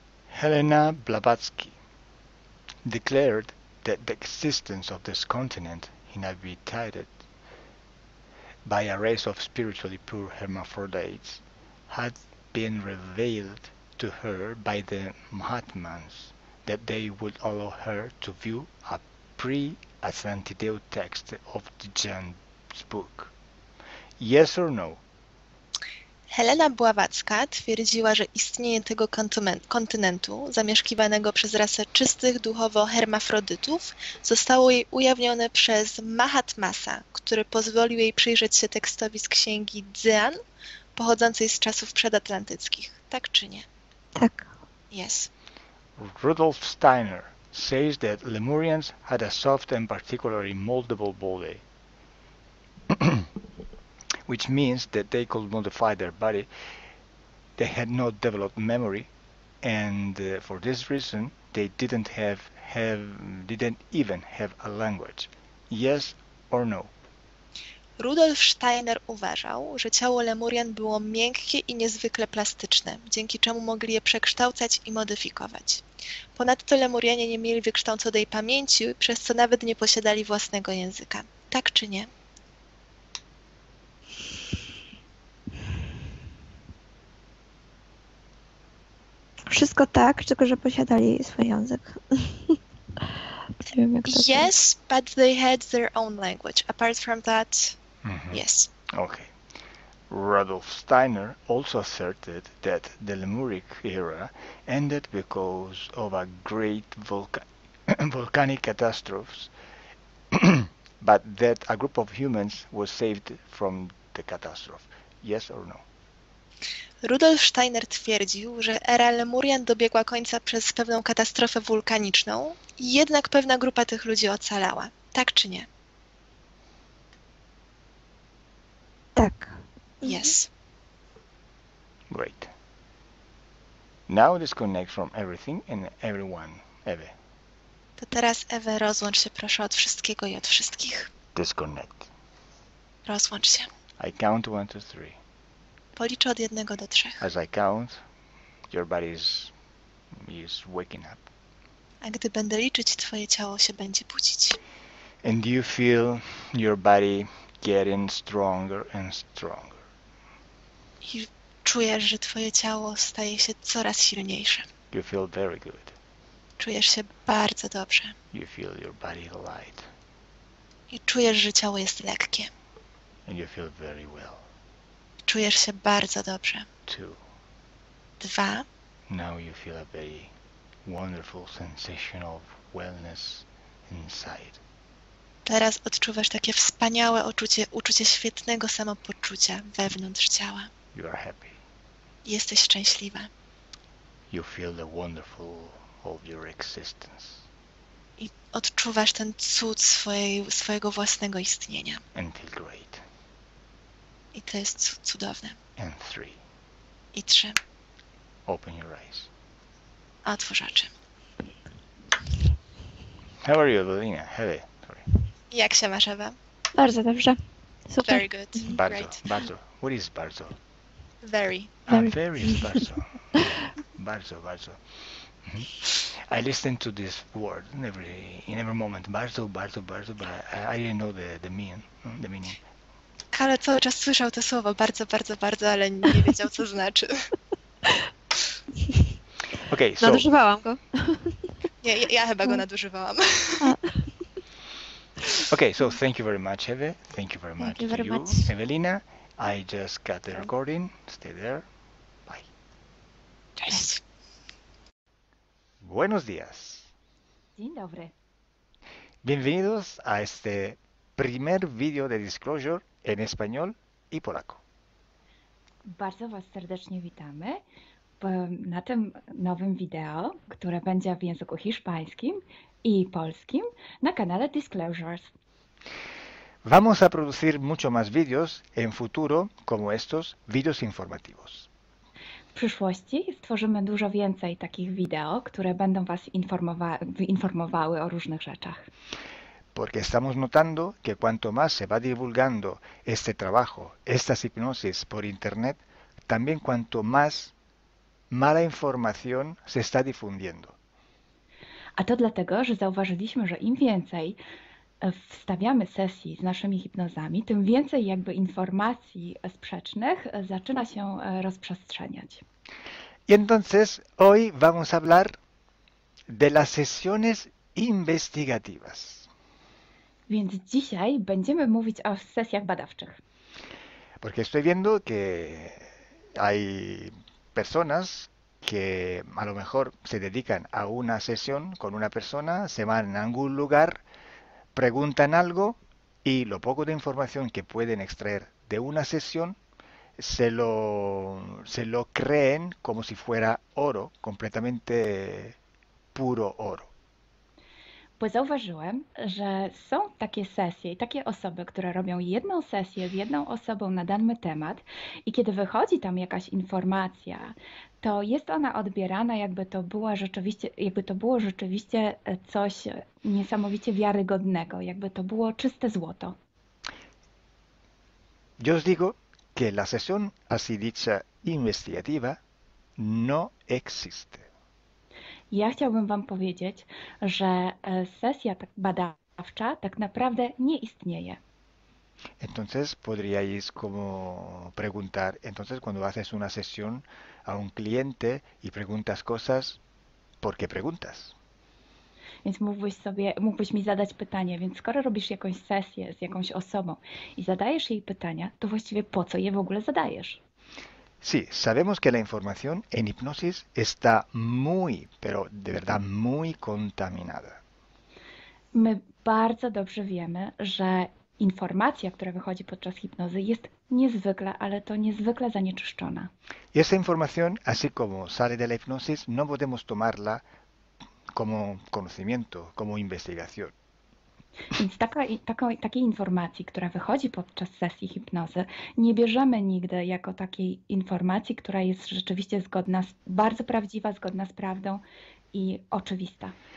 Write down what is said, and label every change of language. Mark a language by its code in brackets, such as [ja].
[en] Helena Blavatsky declared that the existence of this continent inhabited by a race of spiritually pure hermaphrodites had been revealed to her by the Mahatmans, that they would allow her to view a pre-Atlantideo text of the Jan's book. Yes or no? [pl] Helena Bławacka twierdziła, że istnienie tego kontynentu, zamieszkiwanego przez rasę czystych duchowo hermafrodytów, zostało jej ujawnione przez Mahatmasa, który pozwolił jej przyjrzeć się tekstowi z księgi Dzean, pochodzącej z czasów przedatlantyckich. Tak czy nie? Tak. [en] Yes. Rudolf Steiner says that Lemurians had a soft and particularly moldable body. Which means that they could modify their body. They had not developed memory, and for this reason, they didn't even have a language. Yes or no? [pl] Rudolf Steiner uważał, że ciało Lemurian było miękkie i niezwykle plastyczne, dzięki czemu mogli je przekształcać i modyfikować. Ponadto Lemurianie nie mieli wykształconej pamięci, przez co nawet nie posiadali własnego języka. Tak czy nie? Wszystko tak, tylko że posiadali swój język. Nie wiem, jak to [en] yes, [pl] jest. [en] But they had their own language. Apart from that, mm-hmm. Yes. Okay. Rudolf Steiner also asserted that the Lemuric era ended because of a great volcanic catastrophe, but that a group of humans was saved from the catastrophe. Yes or no? [pl] Rudolf Steiner twierdził, że era Lemurian dobiegła końca przez pewną katastrofę wulkaniczną, jednak pewna grupa tych ludzi ocalała. Tak czy nie? Tak. [en] Yes. Great. Now disconnect from everything and everyone, Ewe. [pl] To teraz, Ewe, rozłącz się proszę od wszystkiego i od wszystkich. [en] Disconnect. [pl] Rozłącz się. [en] I count 1, 2, 3. [pl] Policzę od 1 do 3. [en] As I count, your body is waking up. [pl] A gdy będę liczyć, twoje ciało się będzie budzić. [en] And you feel your body getting stronger and stronger. [pl] I czujesz, że twoje ciało staje się coraz silniejsze. [en] You feel very good. [pl] Czujesz się bardzo dobrze. [en] You feel your body light. [pl] I czujesz, że ciało jest lekkie. [en] And you feel very well. [pl] Czujesz się bardzo dobrze. [en] Two. [pl] Dwa. [en] Now you feel a very wonderful sensation of wellness inside. [pl] Teraz odczuwasz takie wspaniałe uczucie świetnego samopoczucia wewnątrz ciała. [en] You are happy. [pl] Jesteś szczęśliwa. [en] You feel the wonderful of your existence. [pl] I odczuwasz ten cud swojego własnego istnienia. [en] And feel great. [pl] I to jest cudowne. [en] And three. [pl] I trzy. [en] Open your eyes. [pl] Otwórz oczy. [en] How are you, Ewelina? Hey, sorry. [pl] Jak się masz, Ewa? Bardzo dobrze. Super. [en] Very good. [pl] Bardzo, [en] great. Bardzo. What is bardzo? Very. Very is bardzo. Bardzo, bardzo. I listened to this word in every moment. Bardzo, bardzo, bardzo, but I didn't know the meaning. [pl] Ale cały czas słyszał to słowo bardzo, bardzo, bardzo, ale nie wiedział, co znaczy. [en] Okay, so... [pl] Nadużywałam go. Nie, ja chyba go nadużywałam. [en] Okay, so thank you very much, Ewe. Thank you very much thank to you, much. Ewelina. I just got the recording. Stay there. Bye. [pl] Cześć. [es] Buenos días. [pl] Dzień dobry. [es] Bienvenidos a este primer video de disclosure en español y polaco. [pl] Bardzo was serdecznie witamy na tym nowym wideo, które będzie w języku hiszpańskim i polskim na kanale Disclosures. [es] Vamos a producir mucho más videos en futuro como estos videos informativos. [pl] W przyszłości stworzymy dużo więcej takich wideo, które będą was informowały o różnych rzeczach. [es] Porque estamos notando que cuanto más se va divulgando este trabajo, estas hipnosis por internet, también cuanto más mala información se está difundiendo. [pl] A to dlatego, że zauważyliśmy, że im więcej wstawiamy sesji z naszymi hipnozami, tym więcej jakby informacji sprzecznych zaczyna się rozprzestrzeniać. [es] Y entonces hoy vamos a hablar de las sesiones investigativas. [pl] Więc dzisiaj będziemy mówić o sesjach badawczych. [es] Porque estoy viendo que hay personas que a lo mejor se dedican a una sesión con una persona, se van a algún lugar, preguntan algo y lo poco de información que pueden extraer de una sesión se lo creen como si fuera oro, completamente puro oro. [pl] Pues zauważyłem, że są takie sesje i takie osoby, które robią jedną sesję z jedną osobą na dany temat i kiedy wychodzi tam jakaś informacja, to jest ona odbierana, jakby to było rzeczywiście coś niesamowicie wiarygodnego, jakby to było czyste złoto. [es] Yo os digo que la sesión así dicha investigativa no existe. [pl] Ja chciałbym wam powiedzieć, że sesja badawcza tak naprawdę nie istnieje. [es] Entonces podríais como preguntar, entonces cuando haces una sesión a un cliente y preguntas cosas, ¿por qué preguntas? [pl] Więc mógłbyś mi zadać pytanie, więc skoro robisz jakąś sesję z jakąś osobą i zadajesz jej pytania, to właściwie po co je w ogóle zadajesz? [es] Sí, sabemos que la información en hipnosis está muy, pero de verdad muy contaminada. [pl] My bardzo dobrze wiemy, że informacja, która wychodzi podczas hipnozy, jest niezwykle, ale to niezwykle zanieczyszczona. [es] Y esa información, así como sale de la hipnosis, no podemos tomarla como conocimiento, como investigación. [pl] Więc takiej informacji, która wychodzi podczas sesji hipnozy, nie bierzemy nigdy jako takiej informacji, która jest rzeczywiście zgodna, bardzo prawdziwa, zgodna z prawdą i oczywista.